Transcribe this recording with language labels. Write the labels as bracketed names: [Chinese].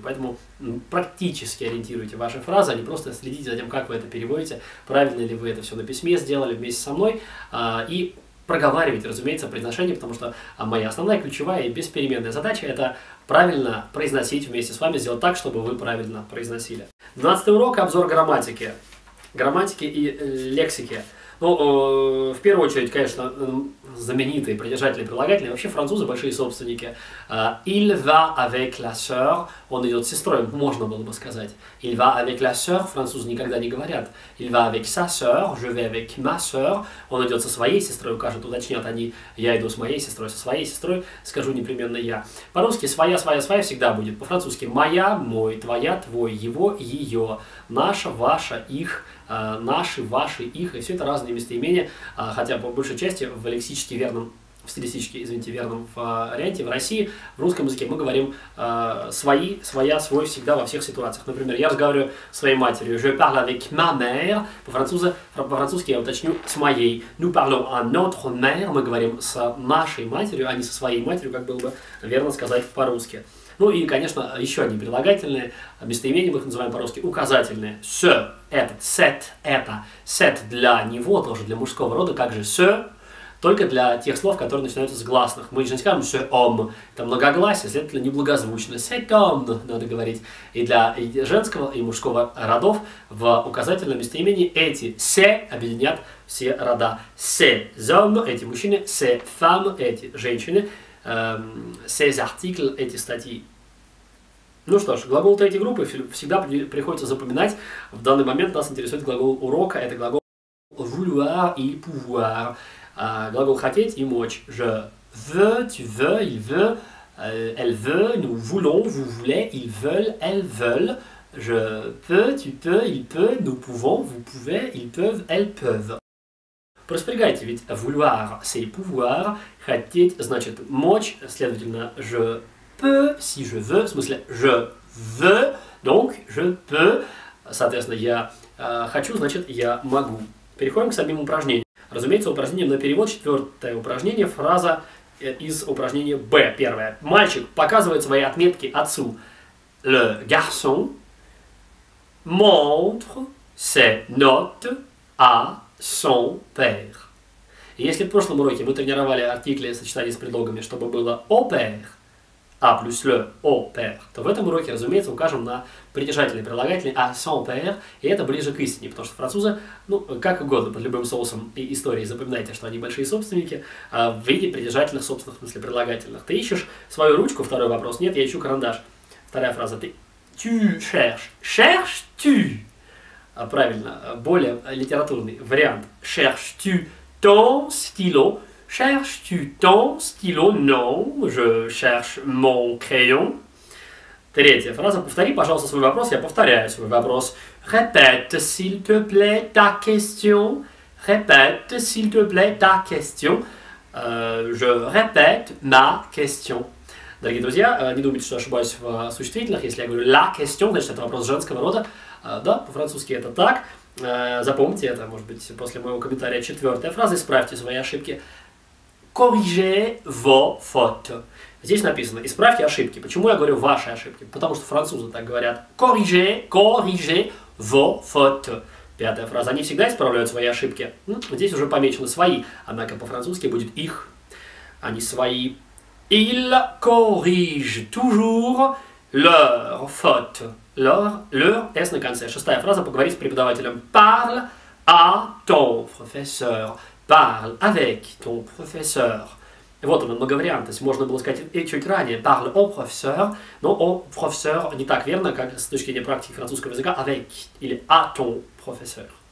[Russian] Поэтому практически ориентируйте ваши фразы, а не просто следите за тем, как вы это переводите, правильно ли вы это все на письме сделали вместе со мной, и проговаривайте, разумеется, произношение, потому что моя основная, ключевая и беспеременная задача – это правильно произносить вместе с вами, сделать так, чтобы вы правильно произносили. 12-й урок – обзор грамматики. Грамматики и лексики. Ну, в первую очередь, конечно, знаменитые придержатели и прилагатели, вообще французы – большие собственники. [French] «Il va avec la sœur» [Russian] – он идет с сестрой, можно было бы сказать. [French] «Il va avec la sœur» – [Russian] французы никогда не говорят. [French] «Il va avec sa sœur» – «Je vais avec ma sœur» – [Russian] он идет со своей сестрой, укажет, уточнят они. «Я иду с моей сестрой», «со своей сестрой» – скажу непременно «я». По-русски «своя», «своя», «своя» всегда будет. По-французски «моя», «мой», «твоя», «твой», «его», «ее», «наша», «ваша», «их». Наши, ваши, их, и все это разные местоимения, хотя по большей части в лексически верном, в стилистически, извините, верном варианте в России, в русском языке мы говорим свои, своя, свой всегда во всех ситуациях. Например, я разговариваю с своей матерью. [French] Je parle avec ma mère. [Russian] По-французски я уточню с моей. [French] Nous parlons à notre mère. [Russian] Мы говорим с нашей матерью, а не со своей матерью, как было бы верно сказать по-русски. Ну и, конечно, еще одни прилагательные местоимения, мы их называем по-русски указательные. [French] Ce [Russian] – этот, set – это. Set для него, тоже для мужского рода, как же ce, только для тех слов, которые начинаются с гласных. Мы же не скажем [French] ce homme [Russian] – это многогласие, следовательно, неблагозвучно. [French] Cet homme [Russian] – надо говорить. И для женского и мужского родов в указательном местоимении эти «се» объединят все рода. [French] Ces hommes [Russian] – эти мужчины, [French] ces femmes [Russian] – эти женщины. [French] Ces articles, [Russian] эти статьи. Ну что ж, глагол третьей группы всегда приходится запоминать. В данный момент нас интересует глагол урока. Это глагол [French] vouloir и pouvoir. [Russian] Глагол хотеть и мочь. [French] Je veux, tu veux, il veut, elle veut, nous voulons, vous voulez, ils veulent, elles veulent. Je peux, tu peux, il peut, nous pouvons, vous pouvez, ils peuvent, elles peuvent. [Russian] Проспрягайте, ведь [French] vouloir, c'est pouvoir, [Russian] хотеть, значит, мочь, следовательно, [French] je peux, si je veux, [Russian] в смысле, [French] je veux, donc, je peux, [Russian] соответственно, я хочу, значит, я могу. Переходим к самим упражнениям. Разумеется, упражнение на перевод, четвертое упражнение, фраза из упражнения B, первое. Мальчик показывает свои отметки отцу. Le garçon montre ses notes à son père. Если в прошлом уроке мы тренировали артикли в сочетании с предлогами, чтобы было [French] au père, [Russian] а плюс le au père, то в этом уроке, разумеется, укажем на придержательный прилагательный [French] à son père, [Russian] и это ближе к истине, потому что французы, ну, как угодно, под любым соусом и историей, запоминайте, что они большие собственники, в виде придержательных собственных, в смысле прилагательных. Ты ищешь свою ручку? Второй вопрос. Нет, я ищу карандаш. Вторая фраза. Ты. [French] Tu cherches. Cherches tu? [Russian] Правильно, более литературный вариант. [French] Cherches-tu ton stylo? Cherches-tu ton stylo? Non, je cherche mon crayon. [Russian] Третья фраза. Повтори, пожалуйста, свой вопрос. Я повторяю свой вопрос. [French] Répète, s'il te plaît, ta question. Répète, s'il te plaît, ta question. Je répète ma question. [Russian] Дорогие друзья, не думайте, что ошибаюсь в существительных. Если я говорю «la question», значит, это вопрос женского рода. Да, по-французски это так. Запомните это, может быть, после моего комментария. Четвертая фраза, исправьте свои ошибки. [French] «Corrigez vos fautes». [Russian] Здесь написано «исправьте ошибки». Почему я говорю «ваши ошибки»? Потому что французы так говорят. [French] «Corrigez, corrigez vos fautes». [Russian] Пятая фраза. Они всегда исправляют свои ошибки. Ну, здесь уже помечены свои. Однако по-французски будет их, а не свои. [French] Ils corrigent toujours leur faute. Leur S [Russian] на конце. Шестая фраза. Поговорить с преподавателем. [French] Parle à ton professeur. Parle avec ton professeur. [Russian] Вот оно, многовариантность. Можно было сказать и чуть ранее. [French] Parle au professeur. [Russian] Но [French] au professeur [Russian] не так верно, как с точки зрения практики французского языка. [French] Avec [Russian] или [French] à ton professeur.